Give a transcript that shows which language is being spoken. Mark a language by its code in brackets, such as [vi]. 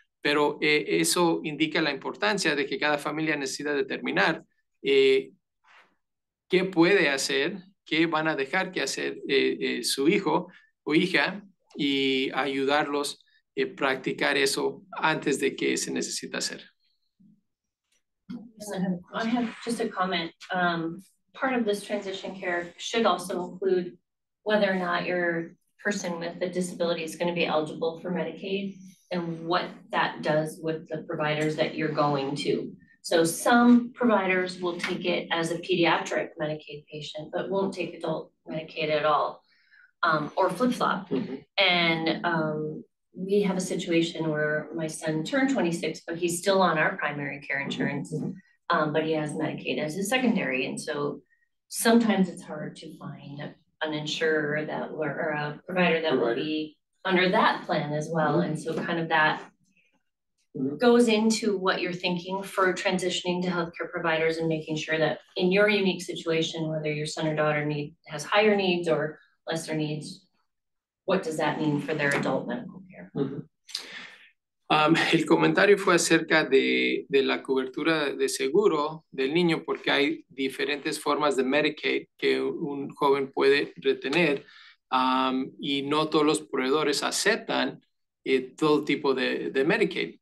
[es] pero eso indica la importancia de que cada familia necesita determinar qué puede hacer, qué van a dejar que hacer su hijo o hija y ayudarlos a practicar eso antes de que se necesita hacer. [en] I have just a comment. Part of this transition care should also include whether or not your person with a disability is going to be eligible for Medicaid and what that does with the providers that you're going to. So some providers will take it as a pediatric Medicaid patient, but won't take adult Medicaid at all, or flip-flop. Mm-hmm. And we have a situation where my son turned 26, but he's still on our primary care insurance, mm-hmm. But he has Medicaid as his secondary. And so sometimes it's hard to find an insurer that or a provider that will be under that plan as well. Mm-hmm. And so kind of that mm-hmm. goes into what you're thinking for transitioning to healthcare providers and making sure that in your unique situation, whether your son or daughter has higher needs or lesser needs, what does that mean for their adult medical? Uh-huh. [es] El comentario fue acerca de la cobertura de seguro del niño porque hay diferentes formas de Medicaid que un joven puede retener y no todos los proveedores aceptan todo tipo de Medicaid.